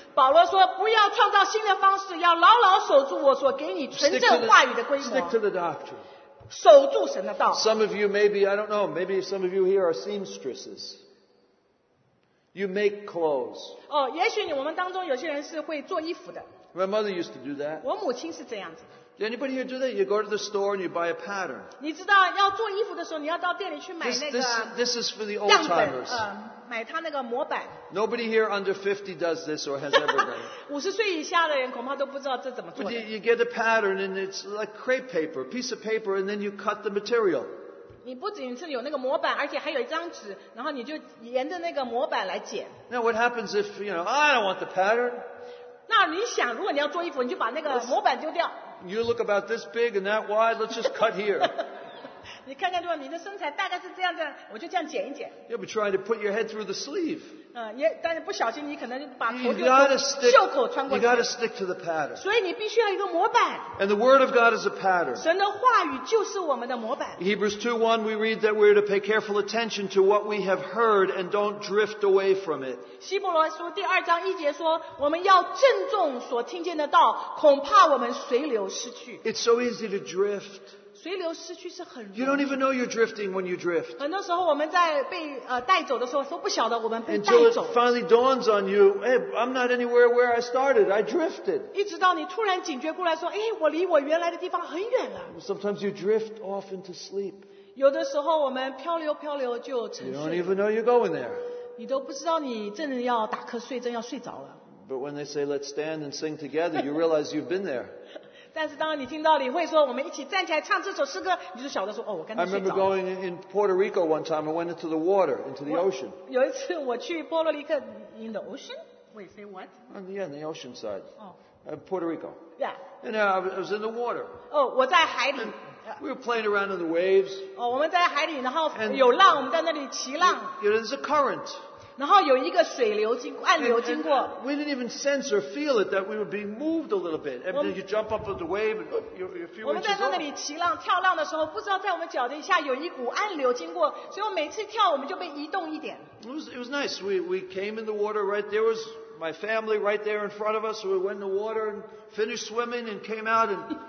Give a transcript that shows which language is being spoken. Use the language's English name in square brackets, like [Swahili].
[Chinese] 保罗说不要创造新的方式，要牢牢守住我所给你纯正话语的规模。 [English] Stick to the doctrine. [Chinese] 守住神的道。 [English] Some of you maybe, I don't know, maybe some of you here are seamstresses. You make clothes. [Chinese] 哦，也许你我们当中有些人是会做衣服的。 [English] My mother used to do that. [Chinese] 我母亲是这样子。 [English] Did anybody here do that? You go to the store and you buy a pattern. [Chinese] 你知道要做衣服的时候，你要到店里去买那个。 [English] This is for the old timers. [Chinese] 买他那个模板。 [English] Nobody here under 50 does this or has ever done. [Chinese] 五十岁以下的人恐怕都不知道这怎么做的。 [English] But you get a pattern and it's like crepe paper, a piece of paper, and then you cut the material. [Chinese] 你不仅是有那个模板，而且还有一张纸，然后你就沿着那个模板来剪。 [English] Now what happens if you know I don't want the pattern? [Chinese] 那你想，如果你要做衣服，你就把那个模板丢掉。 [English] You look about this big and that wide. Let's just cut here. [Chinese] 你看看，如果你的身材大概是这样的，我就这样剪一剪。 [English] You'll be trying to put your head through the sleeve. [Chinese] 也但是不小心，你可能就把头就从袖口穿过去。 [English] You gotta stick to the pattern. [Chinese] 所以你必须要一个模板。 [English] And the word of God is a pattern. [Chinese] 神的话语就是我们的模板。 [English] Hebrews 2:1, we read that we're to pay careful attention to what we have heard and don't drift away from it. [Chinese] 希伯来书第二章一节说，我们要郑重所听见的道，恐怕我们随流失去。 [English] It's so easy to drift. [Chinese] 随流失去是很容易。 [English] You don't even know you're drifting when you drift. [Chinese] 很多时候我们在被带走的时候都不晓得我们被带走。 [English] Until it finally dawns on you, hey, I'm not anywhere where I started. I drifted. [Chinese] 一直到你突然警觉过来说，哎，我离我原来的地方很远了。 [English] Sometimes you drift off into sleep. [Chinese] 有的时候我们漂流漂流就沉睡。 [English] You don't even know you're going there. [Chinese] 你都不知道你正要打瞌睡，正要睡着了。 [English] But when they say let's stand and sing together, you realize you've been there. [Chinese] 但是当你听到李慧说我们一起站起来唱这首诗歌，你就晓得说哦，我刚才睡着。 [English] I remember going in Puerto Rico one time. I went into the water, into the ocean. [Chinese] 有一次我去波罗里克 [English] in the ocean. Wait, say what? Yeah, in the ocean side. Puerto Rico. Yeah. And I was in the water. [Chinese] Oh, 我在海里。 [English] We were playing around in the waves. [Chinese] Oh, 我们在海里，然后有浪， 我们在那里骑浪。 [English] There's a current. [Chinese] 然后有一个水流经过，暗流经过。 [English] We didn't even sense or feel it that we were being moved a little bit. And then you jump up with the wave, and you're a few inches off. [Chinese] 我们在那里骑浪跳浪的时候， 不知道在我们脚底下有一股暗流经过， 所以我每次跳我们就被移动一点。 [English] It was nice. We came in the water right there. Was my family right there in front of us. We went in the water and finished swimming and came out and...